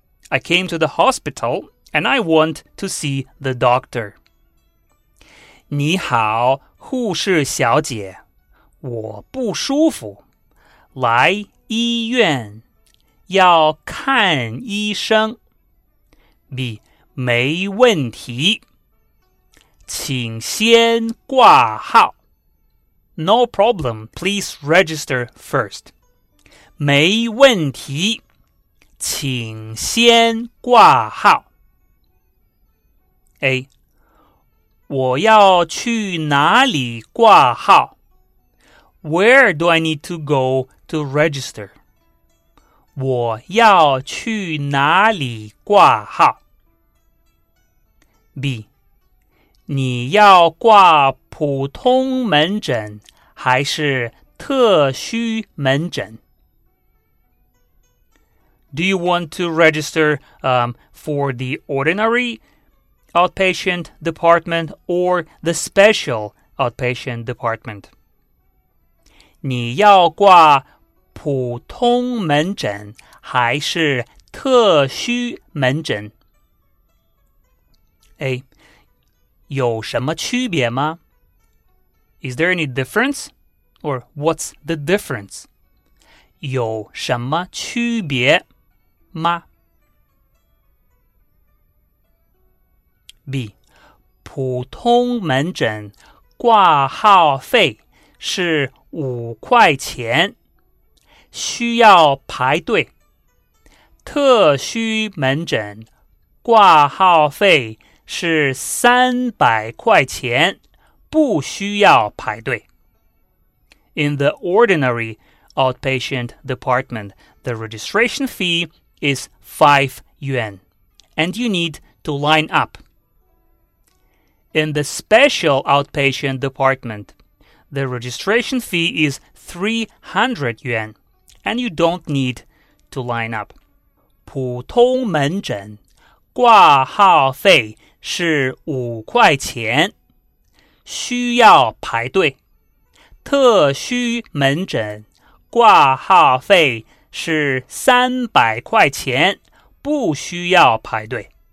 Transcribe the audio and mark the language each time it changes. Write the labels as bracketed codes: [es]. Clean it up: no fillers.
[en] I came to the hospital and I want to see the doctor. [zh] 你好,护士小姐。我不舒服,来医院要看医生。 B. 没问题。请先挂号。 [en] No problem. Please register first. [zh] 没问题。请先挂号。 A. 我要去哪里挂号? [en] Where do I need to go? To register. [zh] 我要去哪里挂号? B. 你要挂普通门诊还是特需门诊? [en] Do you want to register, for the ordinary outpatient department or the special outpatient department? [zh] 你要挂普通门诊还是特需门诊? A. 有什么区别吗? [en] Is there any difference? Or what's the difference? [zh] 有什么区别吗? B. 普通门诊挂号费是五块钱。需要排队。特需门诊挂号费是300块钱，不需要排队。 [en] In the ordinary outpatient department, the registration fee is 5 yuan, and you need to line up. In the special outpatient department, the registration fee is 300 yuan. And you don't need to line up. [zh] 普通门诊挂号费是五块钱，需要排队。特需门诊挂号费是300块钱，不需要排队。